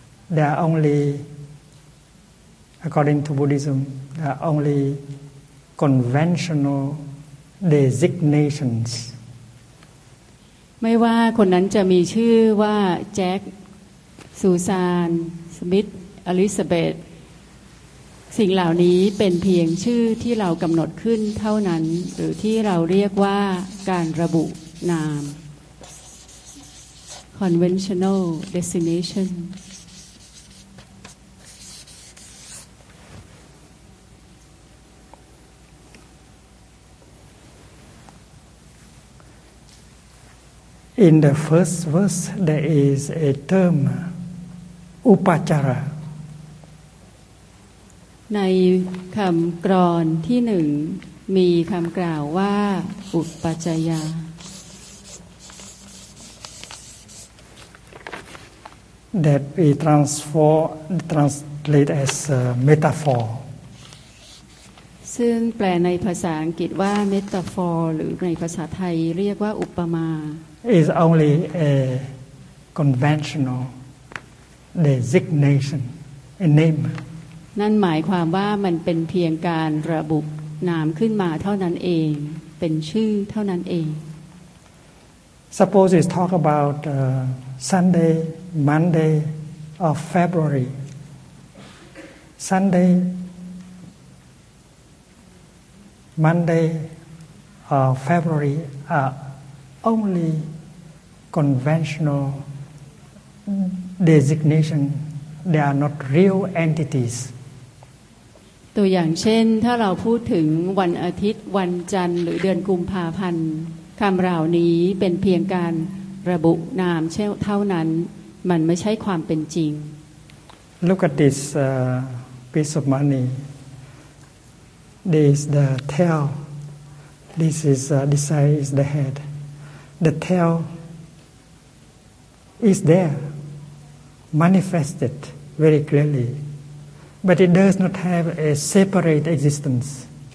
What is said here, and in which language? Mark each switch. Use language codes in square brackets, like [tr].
[en] They are only, according to Buddhism, they are only conventional designations. [th] ไม่ว่าคนนั้นจะมีชื่อว่าแจ็คซูซานสมิธอลิซาเบธสิ่งเหล่านี้เป็นเพียงชื่อที่เรากำหนดขึ้นเท่านั้นหรือที่เราเรียกว่าการระบุนาม conventional designation [en] In the first verse, there is a term, upachara. [th] ในคำกรอนที่หนึ่งมีคำกล่าวว่าอุปัจจยา [en] That we translate as a metaphor. [th] ซึ่งแปลในภาษาอังกฤษว่า metaphor หรือในภาษาไทยเรียกว่าอุปมา [en] Is only a conventional designation, a name. [th] นั่นหมายความว่ามันเป็นเพียงการระบุนามขึ้นมาเท่านั้นเองเป็นชื่อเท่านั้นเอง [en] Suppose you talk about Sunday, Monday of February. Sunday, Monday of February are onlyconventional designation they are not real entities [th] ตัวอย่างเช่นถ้าเราพูดถึงวันอาทิตย์วันจันทร์หรือเดือนกุมภาพันธ์คำเหล่านี้เป็นเพียงการระบุนามเท่านั้นมันไม่ใช่ความเป็นจริง [en] Look at this piece of money this is the tail this is this side is the head the tailIs there, manifested very clearly, but it does not have a separate existence.